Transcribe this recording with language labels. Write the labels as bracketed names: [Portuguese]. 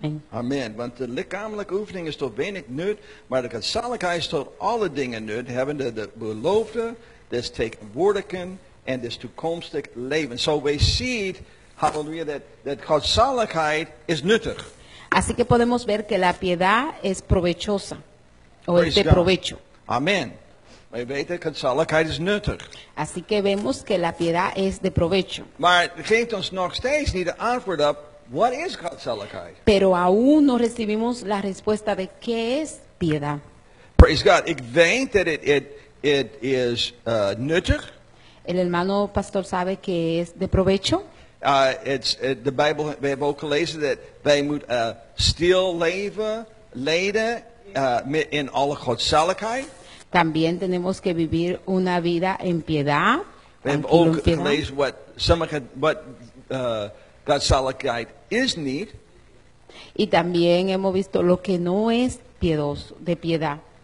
[Dutch] Amen. Want de lichamelijke oefening is tot weinig nut, maar de gezaligheid is tot alle dingen nut, hebben de beloofde, des tegenwoordigen en des toekomstig leven. [English] So we see it, hallelujah, that [Dutch] gezaligheid is nuttig. [Spanish] Así que podemos ver que la piedad es provechosa, o es de provecho. [English] Amen. We weten, [Dutch] gezaligheid is nuttig. [Spanish] Así que vemos que la piedad es de provecho. [Dutch] Maar het geeft ons nog steeds niet de antwoord op, [English] what is [Dutch] gezaligheid? [Spanish] Pero aún no recibimos la respuesta de qué es piedad. [English] Praise God. [Dutch] Ik weet dat it is nuttig. [Spanish] El hermano pastor sabe que es de provecho. [Dutch] De Bijbel, we hebben ook gelezen dat wij moeten stil leven, leiden in alle godzaligheid. [Spanish] También tenemos que vivir una vida en piedad. [Dutch] We hebben ook gelezen wat godzaligheid is niet. [Spanish] Y también hemos visto lo que no es piedoso, de piedad.